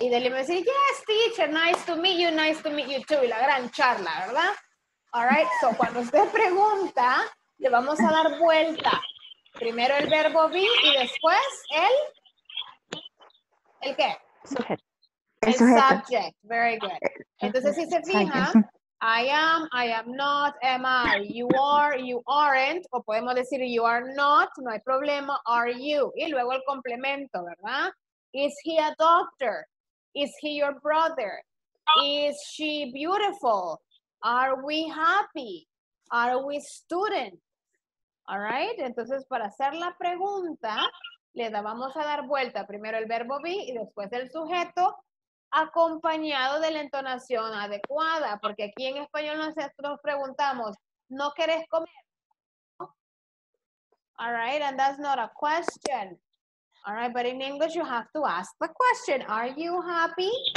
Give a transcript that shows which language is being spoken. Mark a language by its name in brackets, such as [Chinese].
[Spanish] Y Delia me va a decir, [English] yes, teacher, nice to meet you, nice to meet you too. [Spanish] Y la gran charla, ¿verdad? [English] All right, so [Spanish] cuando usted pregunta, le vamos a dar vuelta. Primero el verbo be y después el... ¿El qué? Sujeto. El subject. Very good. Entonces, si se fija, [English] I am not, am I, you aren't, [Spanish] o podemos decir [English] you are not, [Spanish] no hay problema, are you. Y luego el complemento, ¿verdad? [English] Is he a doctor? Is he your brother? Is she beautiful? Are we happy? Are we students? [Spanish] All right, entonces para hacer la pregunta, le vamos a dar vuelta primero el verbo be y después el sujeto, acompañado de la entonación adecuada, porque aquí en español nosotros preguntamos, ¿no querés comer? [English] All right, and that's not a question. All right, but in English you have to ask the question, are you happy?